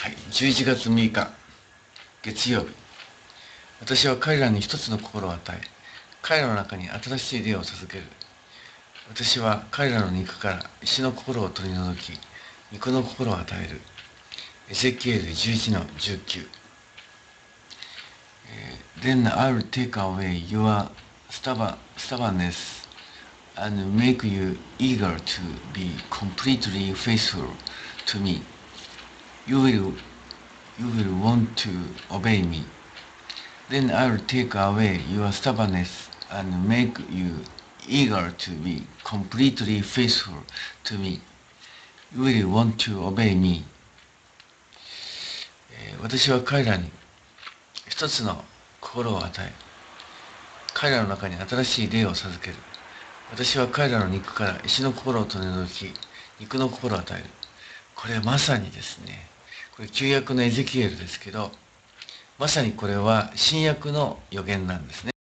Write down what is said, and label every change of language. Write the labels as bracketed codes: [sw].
[ja] 11月6日月曜日、私は彼らに一つの心を与え、彼らの中に新しい霊を授ける。私は彼らの肉から石の心を取り除き、肉の心を与える。エゼキエル 11-19。 [en] Then I will take away your stubbornness and make you eager to be completely faithful to me. You will want to obey me. Then I will take away your stubbornness and make you eager to be completely faithful to me. You will want to obey me. [ja] 私は彼らに一つの心を与え、彼らの中に新しい霊を授ける。私は彼らの肉から石の心を取り除き、肉の心を与える。これまさにですね、これ旧約のエゼキエルですけど、まさにこれは新約の予言なんですね。